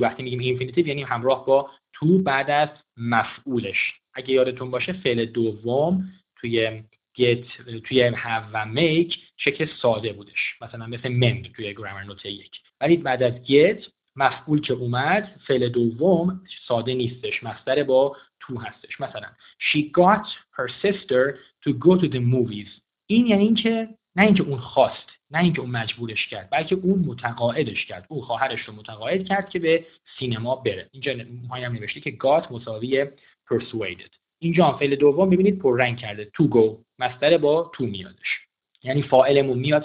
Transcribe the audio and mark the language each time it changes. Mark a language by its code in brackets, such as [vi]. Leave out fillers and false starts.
[fa] وقتی میگیم infinitive یعنی همراه با تو بعد از مفعولش. اگه یادتون باشه فعل دوم توی get، توی have و make شکل ساده بودش، مثلا مثل mend توی گرامر نوت یک، ولی بعد از get مفعول که اومد فعل دوم ساده نیستش، مصدر با تو هستش. [en] مثلا she got her sister to go to the movies. [fa] این یعنی این که نه اینکه اون خواست، نه اینکه اون مجبورش کرد، بلکه اون متقاعدش کرد، اون خواهرش رو متقاعد کرد که به سینما بره. اینجا هم نوشته که got مساوی persuaded. اینجا هم فعل دوم ببینید پررنگ کرده، to go مصدر با to میادش، یعنی فاعلمون میاد.